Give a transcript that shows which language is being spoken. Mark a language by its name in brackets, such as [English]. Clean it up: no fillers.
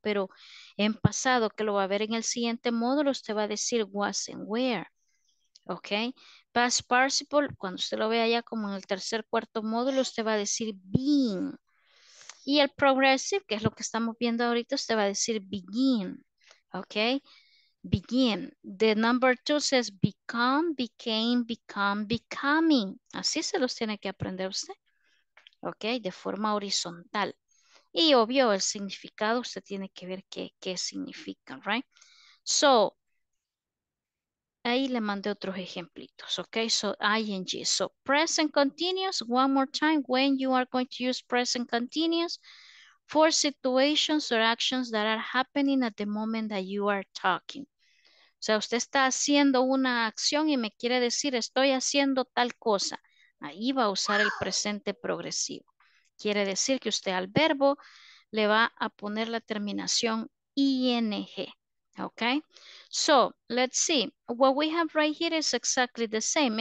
[Spanish] Pero en pasado, que lo va a ver en el siguiente módulo, usted va a decir was and where. ¿Ok? Past participle, cuando usted lo vea ya como en el tercer, cuarto módulo, usted va a decir been. Y el progressive, que es lo que estamos viendo ahorita, usted va a decir begin. ¿Ok? Begin. [English] The number two says become, became, become, becoming. [Spanish] Así se los tiene que aprender usted. ¿Ok? De forma horizontal. Y obvio, el significado, usted tiene que ver qué significa, right? So, ahí le mandé otros ejemplitos, ¿ok? So, ing. [English] So, present continuous, one more time, when you are going to use present continuous for situations or actions that are happening at the moment that you are talking. [Spanish] O sea, usted está haciendo una acción y me quiere decir, estoy haciendo tal cosa. Ahí va a usar el presente progresivo. Quiere decir que usted al verbo le va a poner la terminación ing. [English] Okay, so let's see. What we have right here is exactly the same.